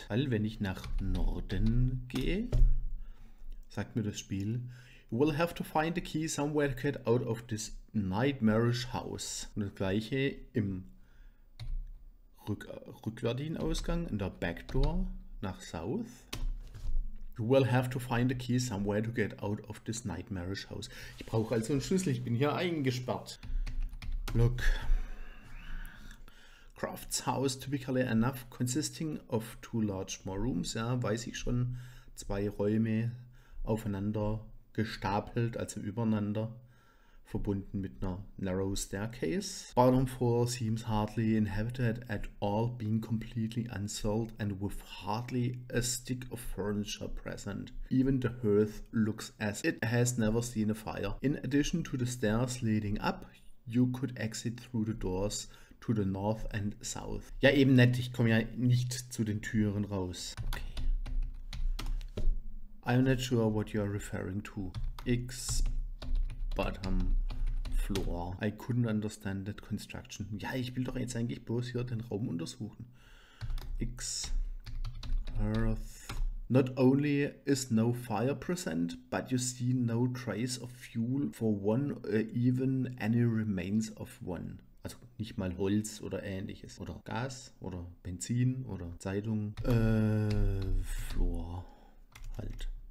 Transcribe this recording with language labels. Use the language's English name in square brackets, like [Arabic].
[German] Weil wenn ich nach Norden gehe, sagt mir das Spiel, [English] you will have to find a key somewhere to get out of this nightmarish house. [German] Und das gleiche im rückwärtigen Ausgang, in der Backdoor nach South. [English] You will have to find a key somewhere to get out of this nightmarish house. [German] Ich brauche also einen Schlüssel, ich bin hier eingesperrt. [English] Look. Croft's house, typically enough, consisting of two large small rooms. [German] Ja, weiß ich schon. Zwei Räume aufeinander gestapelt, also übereinander. Verbunden mit einer [English] narrow staircase. Bottom floor seems hardly inhabited at all, being completely unsold and with hardly a stick of furniture present. Even the hearth looks as it has never seen a fire. In addition to the stairs leading up, you could exit through the doors to the north and south. [German] Ja, eben nett, ich komme ja nicht zu den Türen raus. [English] Okay. I'm not sure what you're referring to. X. Bottom floor. I couldn't understand that construction. [German] Ja, ich will doch jetzt eigentlich bloß hier den Raum untersuchen. [English] X. Earth. Not only is no fire present, but you see no trace of fuel for one or even any remains of one. [German] Also nicht mal Holz oder ähnliches. Oder Gas oder Benzin oder Zeitung. [English] Floor. [German] Halt.